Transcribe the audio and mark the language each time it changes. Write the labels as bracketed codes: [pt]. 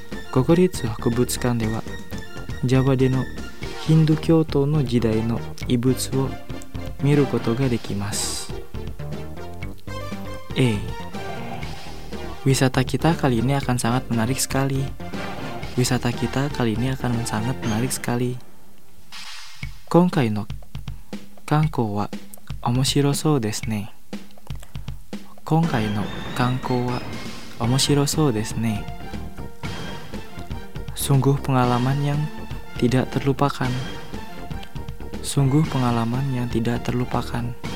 [ja] 国立博物館ではジャワでのヒンドゥー教徒の時代の遺物を見ることができます。 A. [id] Wisata kita kali ini akan sangat menarik sekali. Wisata kita kali ini akan sangat menarik sekali. [ja] 今回の観光は面白そうですね。今回の観光は面白そうですね。 [id] Sungguh pengalaman yang tidak terlupakan. Sungguh pengalaman yang tidak terlupakan.